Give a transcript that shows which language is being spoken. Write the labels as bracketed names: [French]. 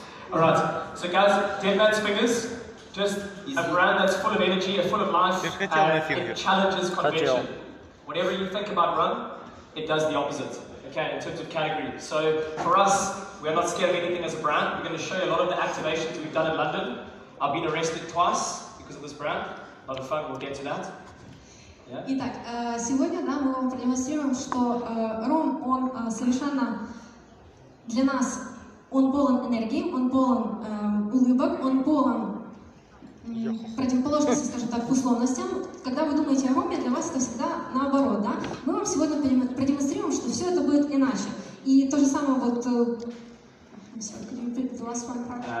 [English] Alright, so guys, Dead Man's Fingers, just a brand that's full of energy, full of life, and it challenges convention. Whatever you think about rum, it does the opposite, okay, in terms of category. So for us, we're not scared of anything as a brand. We're going to show you a lot of the activations we've done in London. I've been arrested twice because of this brand. A lot of fun, we'll get to that. [Russian] Итак, сегодня мы вам продемонстрируем, что ром, он совершенно для нас... Он полон энергии, он полон улыбок, он полон противоположности, скажем так, условностям. Когда вы думаете о роме, для вас это всегда наоборот, да? Мы вам сегодня продемонстрируем, что все это будет иначе. И то же самое вот... [English] Sorry, could you repeat the last one part?